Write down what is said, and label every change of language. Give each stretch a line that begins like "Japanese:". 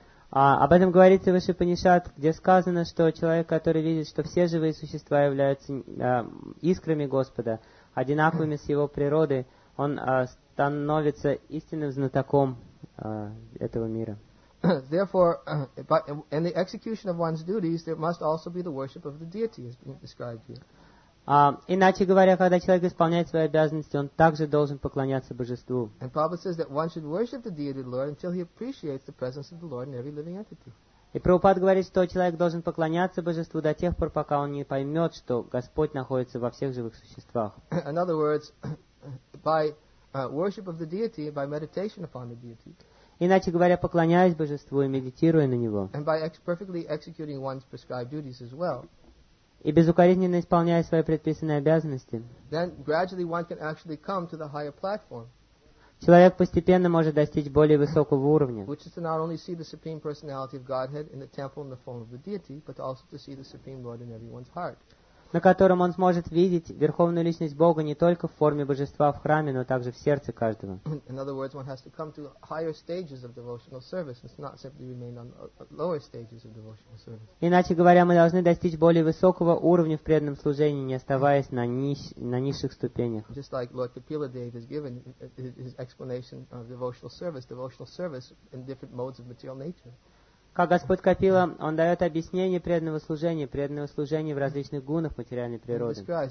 Russian: Об этом говорится в Ишипанишад, где сказано, что человек, который видит, что все живые существа являются искрами Господа, одинаковыми с его природой, он становится истинным знатоком этого мира.
English: Therefore, in the execution of one's duties, there must also be the worship of the deity, as being described here.
Russian: Иначе говоря, когда человек исполняет свои обязанности, он также должен поклоняться Божеству.
English: And Prabhupada says that one should worship the deity of the Lord until he appreciates the presence of the Lord in every living entity.
Russian: И Прабхупад говорит, что человек должен поклоняться Божеству до тех пор, пока он не поймет, что Господь находится во всех живых существах.
English: In other words, by worship of the deity, by meditation upon the deity.
Russian: Иначе говоря, поклоняясь Божеству и медитируя на Него.
English: And by perfectly executing one's prescribed duties as well.
Russian: И безукоризненно исполняя свои предписанные обязанности.
English: Then gradually one can actually come to the higher platform.
Russian: Человек постепенно может достичь более высокого уровня.
English: Which is to not only see the Supreme Personality of Godhead in the temple in the form of the deity, but also to see the Supreme Lord in everyone's heart.
Russian: На котором он сможет видеть Верховную Личность Бога не только в форме Божества в храме, но также в сердце каждого.
English: In other words, one has to come to higher stages of devotional service. It's not simply remain on lower stages of devotional service.
Russian: Иначе говоря, мы должны достичь более высокого уровня в преданном служении, не оставаясь на низших ступенях.
English: Just like Lord Kapila Dev has given his explanation of devotional service in different modes of material nature.
Russian: Как Господь Капила, Он дает объяснение преданного служения в различных гунах материальной природы.